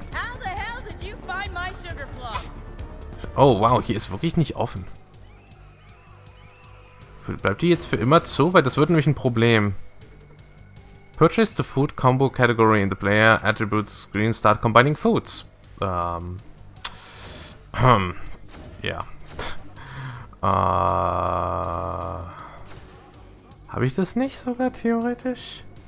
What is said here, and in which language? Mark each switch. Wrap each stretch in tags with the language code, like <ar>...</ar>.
<en>How the hell did you find my sugar plum?</en> <de>Oh, wow. Hier ist wirklich nicht offen. Bleibt die jetzt für immer zu? Weil das wird nämlich ein Problem.</de> <en>Purchase the food combo category in the player attributes screen. Start combining foods.</en> <de>Habe ich das nicht sogar theoretisch?</de>